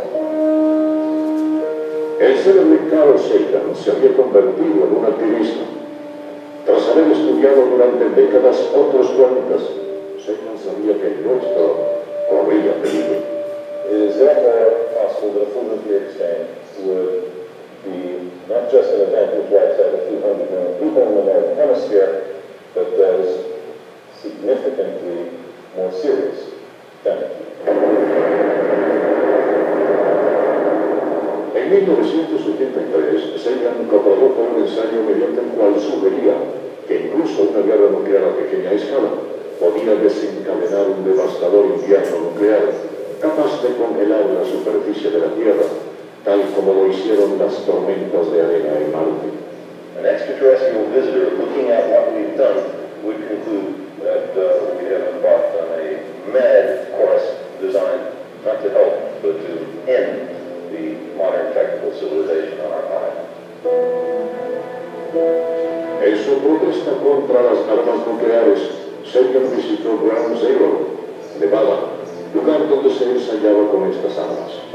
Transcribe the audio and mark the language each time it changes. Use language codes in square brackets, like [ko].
[es] El célebre Carl Sagan se había convertido en un activista. Tras haber estudiado durante décadas otros planetas, Sagan sabía que el nuestro corría peligro. [en] It is therefore possible that a full nuclear exchange would be not just an event which wipes out a few hundred million people in the Northern Hemisphere, but does significantly more serious damage. [es] En 1973, Sagan coprodujo un ensayo mediante el cual sugería que incluso una guerra nuclear a pequeña escala podía desencadenar un devastador invierno nuclear capaz de congelar la superficie de la Tierra, tal como lo hicieron las tormentas de arena en Marte. [en] An extraterrestrial visitor looking at what we've done would conclude that we have embarked on a mad course designed not to help but to end the modern technical civilization on our planet. [es] En su protesta contra las armas nucleares, Sagan visitó Ground Zero, Nevada, lugar donde se ensayaba con estas armas.